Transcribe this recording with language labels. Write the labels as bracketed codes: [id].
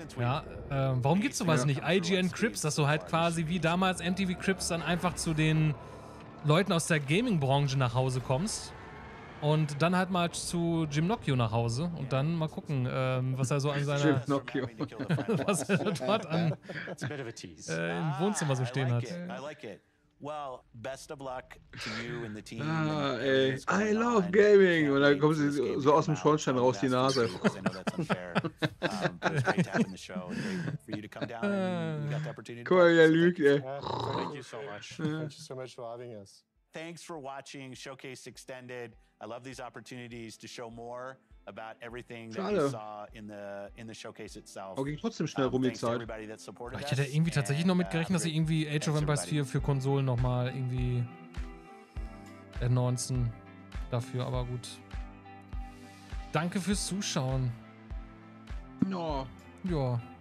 [de] Ja, warum gibt es sowas nicht? IGN Crips, dass du halt quasi wie damals MTV Crips dann einfach zu den Leuten aus der Gaming-Branche nach Hause kommst. Und dann halt mal zu Jim Nocchio nach Hause und dann mal gucken, was er so an seiner Jim Nocchio was er dort an im Wohnzimmer so stehen hat. [en] Well, best of luck to you and the team. I love gaming. [de] Und dann kommt so aus dem Schornstein raus die Nase. Guck mal, wie er lügt, ey. [en] Thank you so much. Thank you so much for having us. Thanks for watching Showcase Extended. I love these opportunities to show more about everything that we saw in the showcase itself. [de] Aber ging trotzdem schnell rum die Zeit. Ich hätte irgendwie tatsächlich noch mitgerechnet, dass sie irgendwie Age of Empires 4 für Konsolen nochmal irgendwie announcen dafür, aber gut. Danke fürs Zuschauen. [en] No. [de] Ja.